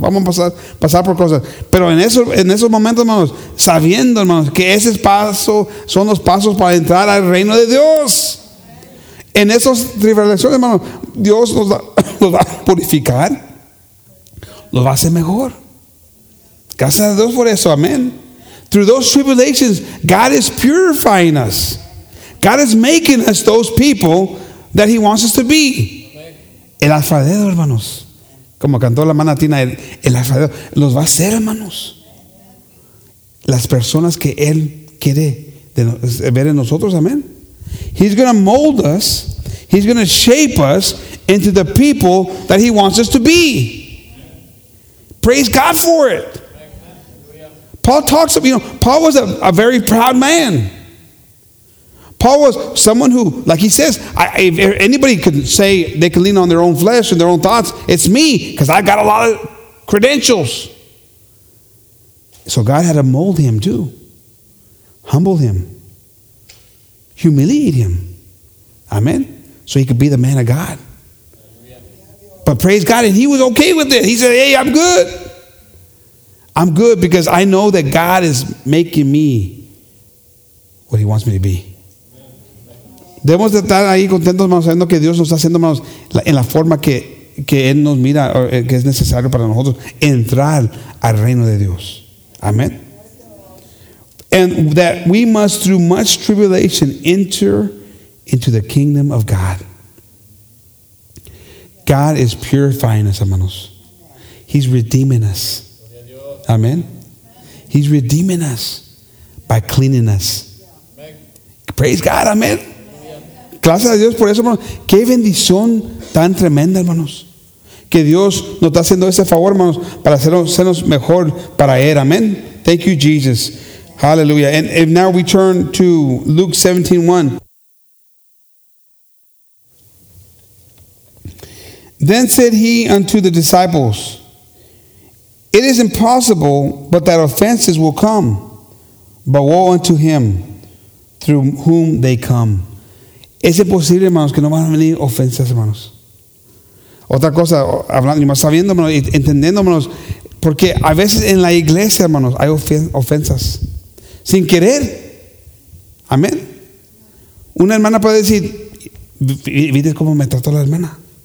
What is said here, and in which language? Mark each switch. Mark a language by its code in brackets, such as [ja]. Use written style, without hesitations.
[es] Vamos a pasar por cosas. Pero en esos momentos, hermanos, sabiendo, hermanos, que esos pasos son los pasos para entrar al reino de Dios. En esas tribulaciones, hermanos, Dios los va a purificar. Los va a hacer mejor. Gracias a Dios por eso, amén. [en] through those tribulations, God is purifying us. God is making us those people that he wants us to be. [es] El alfarero, hermanos. Como cantó la hermana Tina, el alfarero los va a hacer, hermanos. Las personas que él quiere ver en nosotros, amén. [en] He's going to mold us. He's going to shape us into the people that he wants us to be. Praise God for it. Paul talks of, you know, Paul was a very proud man. Paul was someone who, like he says, if anybody could say they can lean on their own flesh and their own thoughts, it's me, because I got a lot of credentials. So God had to mold him too. Humble him. Humiliate him. Amen. So he could be the man of God. But praise God, and he was okay with it. He said, hey, I'm good. I'm good because I know that God is making me what he wants me to be. [es] Debemos estar ahí contentos, hermanos, sabiendo que Dios nos está haciendo, hermanos, en la forma que Él nos mira, que es necesario para nosotros entrar al reino de Dios. Amén. [en] And that we must, through much tribulation, enter into the kingdom of God. God is purifying us, hermanos. He's redeeming us. Amén. He's redeeming us by cleaning us. Praise God. Amén. [es] Gracias a Dios por eso, hermanos. Qué bendición tan tremenda, hermanos. Que Dios nos está haciendo ese favor, hermanos, para hacernos mejor para Él. Amén. Thank you, Jesus. Hallelujah. And if now we turn to Luke 17:1. [en] Then said he unto the disciples, it is impossible but that offenses will come, but woe unto him through whom they come. [es] Es imposible, hermanos, que no van a venir ofensas, hermanos. Otra cosa, hablando, sabiendo, hermanos, entendiendo, hermanos, porque a veces en la iglesia, hermanos, hay ofensas. Sin querer. Amén. Una hermana puede decir, ¿viste cómo me trató la hermana?